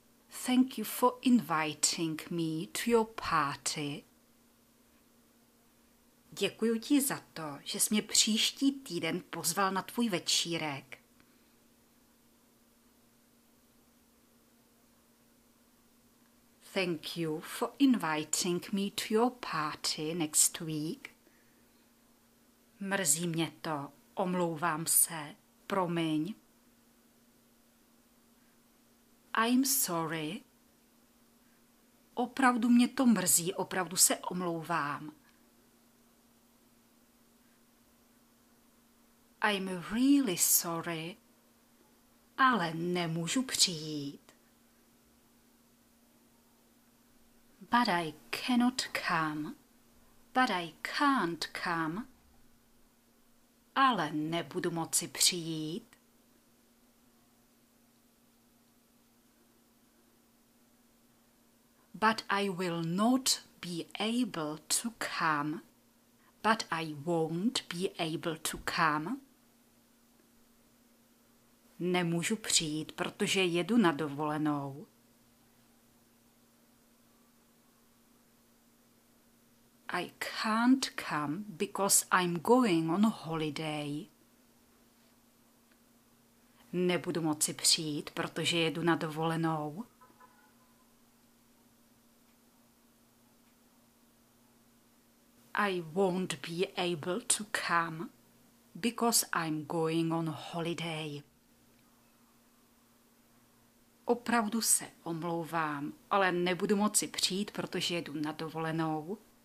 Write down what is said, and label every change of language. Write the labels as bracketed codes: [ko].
[en] Thank you for inviting me to your party. [cs] Děkuju ti za to, že jsi mě příští týden pozval na tvůj večírek. [en] Thank you for inviting me to your party next week. [cs] Mrzí mě to, omlouvám se, promiň. [en] I'm sorry. [cs] Opravdu mě to mrzí, opravdu se omlouvám. [en] I'm really sorry, [cs] ale nemůžu přijít. [en] But I cannot come. But I can't come. [cs] Ale nebudu moci přijít. [en] But I will not be able to come. But I won't be able to come. [cs] Nemůžu přijít, protože jedu na dovolenou. [en] I can't come because I'm going on holiday. [cs] Nebudu moci přijít, protože jedu na dovolenou. [en] I won't be able to come because I'm going on holiday. [cs] Opravdu se omlouvám, ale nebudu moci přijít, protože jedu na dovolenou.